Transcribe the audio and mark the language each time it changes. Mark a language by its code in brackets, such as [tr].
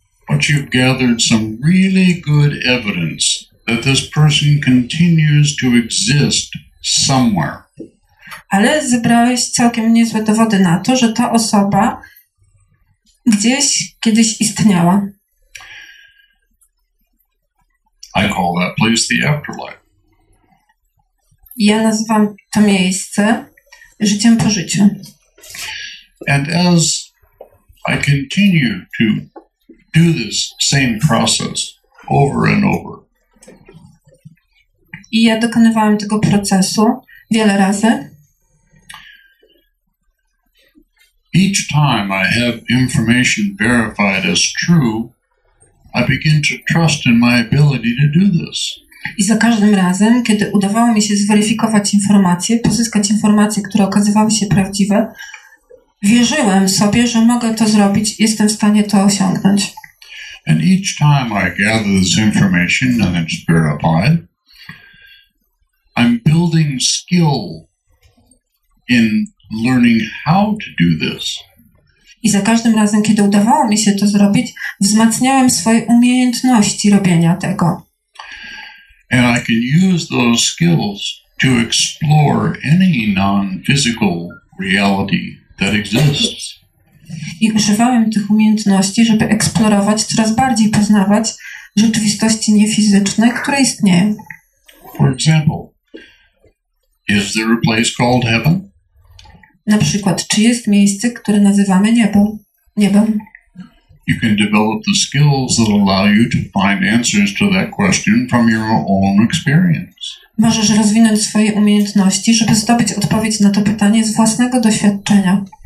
[en] But you've gathered some really good evidence that this person continues to exist somewhere. [pl] Ale zebrałeś całkiem niezłe dowody na to, że ta osoba gdzieś kiedyś istniała. [en] I call that place the afterlife. [pl] Ja nazywam to miejsce życiem po życiu. [en] And as I continue to do this same process over and over. [pl] I ja dokonywałem tego procesu wiele razy. [en] Each time I have information verified as true, I begin to trust in my ability to do this. [pl] I za każdym razem, kiedy udawało mi się zweryfikować informacje, pozyskać informacje, które okazywały się prawdziwe, wierzyłem sobie, że mogę to zrobić, jestem w stanie to osiągnąć. [en] And each time I gather this information and it's verified, I'm building skill in learning how to do this. [pl] I za każdym razem, kiedy udawało mi się to zrobić, wzmacniałem swoje umiejętności robienia tego. [en] And I can use those skills to explore any non-physical reality that exists. [pl] I używałem tych umiejętności, żeby eksplorować, coraz bardziej poznawać rzeczywistości niefizyczne, które istnieją. [en] For example, is there a place called heaven? [pl] Na przykład, czy jest miejsce, które nazywamy niebem? [en] You can develop the skills that allow you to find answers to that question from your own experience. [pl] Możesz rozwinąć swoje umiejętności, żeby zdobyć odpowiedź na to pytanie z własnego doświadczenia.